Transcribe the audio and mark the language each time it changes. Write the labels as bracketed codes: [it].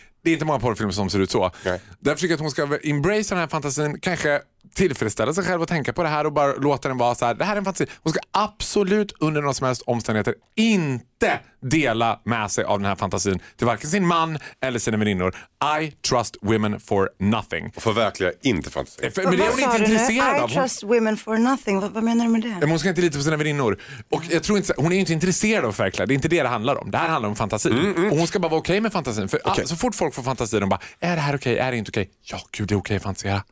[sv] Det är inte många porrfilmer som ser ut så. Okay. Därför tycker jag att hon ska embrace den här fantasin, kanske tillfredsställa sig själv och tänka på det här och bara låta den vara så här. Det här är en fantasi. Hon ska absolut under några som helst omständigheter inte dela med sig av den här fantasin till varken sin man eller sina väninnor. [en] I trust women for nothing. [sv] Och förverkliga inte fantasin. Men det är hon inte intresserad av. [en] I trust women for nothing. [sv] Vad menar du med det? Hon ska inte lita på sina väninnor. Och jag tror inte, hon är ju inte intresserad av förverkliga. Det är inte det det handlar om. Det här handlar om fantasin. Och hon ska bara vara okej med fantasin. För okay. Så fort folk får fantasin, de bara, är det här okej? Är det inte okej? Ja, gud, det är okej att fantasera.